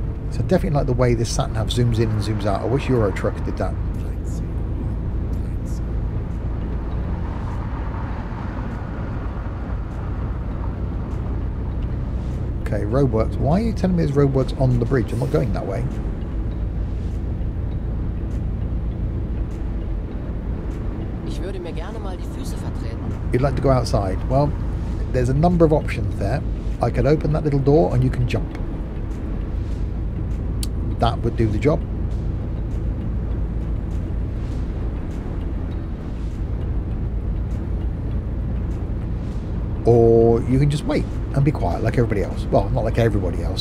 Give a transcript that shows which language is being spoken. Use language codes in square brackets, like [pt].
[en] So I definitely like the way this sat-nav zooms in and zooms out. I wish Euro Truck did that. Okay, roadworks. Why are you telling me there's roadworks on the bridge? I'm not going that way. [de] Ich würde mir gerne mal die Füße vertreten. [en] You'd like to go outside. Well, there's a number of options there. I could open that little door and you can jump. That would do the job. Or you can just wait and be quiet like everybody else. Well, not like everybody else.